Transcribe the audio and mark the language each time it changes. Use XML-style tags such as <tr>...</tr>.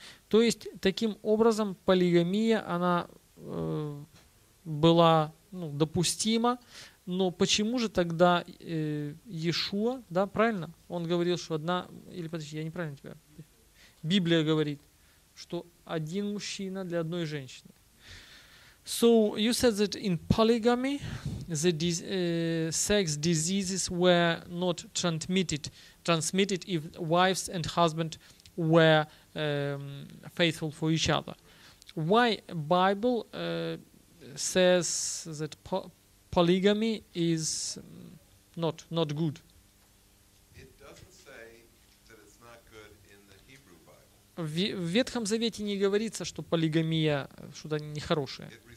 <ru>То есть, таким образом, полигамия, она была допустима, но почему же тогда Иешуа, да, правильно? Он говорил, что одна, или подожди, я неправильно тебя, Библия говорит, что один мужчина для одной женщины.</ru> <en>So you said that in polygamy, the sex diseases were not transmitted if wives and husbands were faithful for each other. Why Bible says that polygamy is not good? It doesn't say that it's not good in the Hebrew Bible.</en> <ru>В Ветхом Завете не говорится, что полигамия что-то нехорошее.</ru>